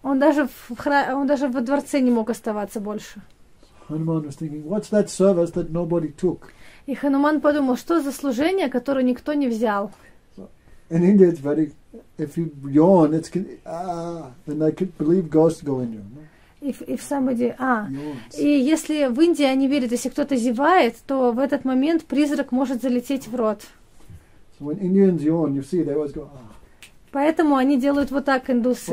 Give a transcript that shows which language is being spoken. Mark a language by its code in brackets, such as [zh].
[ru] Он даже во дворце не мог оставаться больше. [en] Hanuman was thinking, what's that service that nobody took? [ru] И Хануман подумал, что за служение, которое никто не взял? [en] In India, it's very. If you yawn, it's then they could believe ghosts go in you. If somebody, [ru] и если в Индии они верят, если кто-то зевает, то в этот момент призрак может залететь в рот. [en] So when Indians yawn, you see, they always go, [ru] Поэтому они делают вот так, индусы,